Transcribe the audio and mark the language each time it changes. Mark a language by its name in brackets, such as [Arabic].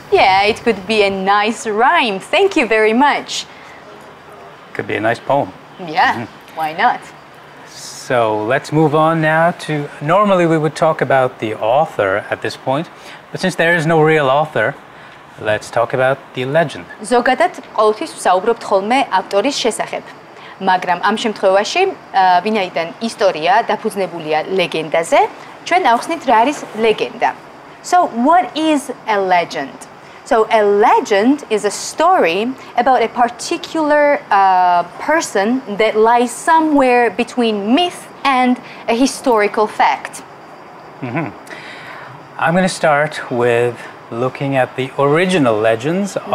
[English] Yeah, it could be a nice rhyme. Thank you very much. Could be a nice poem. Yeah, why not? So let's move on now to, normally we would talk about the author at this point, but since there is no real author, let's talk about the legend. [Georgian] ზოგადად ყოველთვის ვსაუბრობთ ხოლმე ავტორის შესახებ. Მაგრამ ამ შემთხვევაში, ვინაიდან ისტორია დაფუძნებულია ლეგენდაზე, ჩვენ ახსნით რა არის ლეგენდა. [English] So what is a legend? So a legend is a story about a particular person that lies somewhere between myth and a historical fact. Mm-hmm. I'm going to start with looking at the original legends mm-hmm.